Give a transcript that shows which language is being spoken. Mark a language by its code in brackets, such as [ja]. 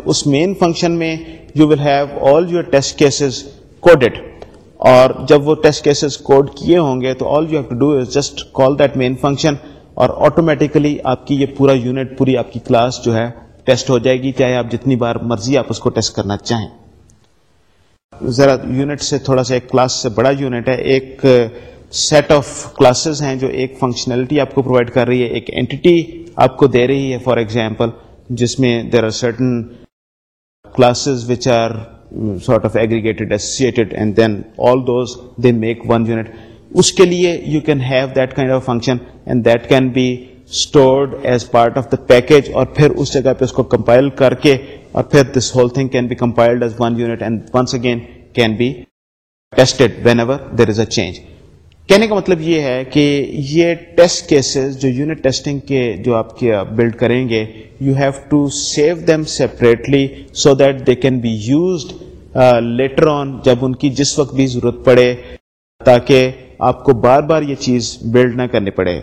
[ur] اس main function میں [en] you will have all your test cases coded, [ur] اور جب وہ ٹیسٹ کیسز کوڈ کیے ہوں گے تو [en] all you have to do is just call that main function, [ur] اور آٹومیٹیکلی آپ کی یہ پورا یونٹ, پوری آپ کی کلاس جو ہے ٹیسٹ ہو جائے گی, چاہے آپ جتنی بار مرضی آپ اس کو ٹیسٹ کرنا چاہیں. ذرا یونٹ سے تھوڑا سا ایک کلاس سے بڑا یونٹ ہے, ایک سیٹ آف کلاسز ہیں جو ایک فنکشنلٹی آپ کو پرووائڈ کر رہی ہے, ایک اینٹیٹی آپ کو دے رہی ہے, [en] for example [ur] جس میں [en] There are certain classes which are sort of aggregated, associated, and then all those, they make one unit. [ur] Uske liye [en] you can have that kind of function, and that can be stored as part of the package, [ur] aur phir us jagah pe usko compile karke, aur phir [en] this whole thing can be compiled as one unit, and once again can be tested whenever there is a change. [ur] کہنے کا مطلب یہ ہے کہ یہ test cases جو unit testing کے جو آپ کے بلڈ کریں گے, [en] you have to save them separately so that they can be used later on [ur] جب ان کی جس وقت بھی ضرورت پڑے, تاکہ آپ کو بار بار یہ چیز بلڈ نہ کرنے پڑے.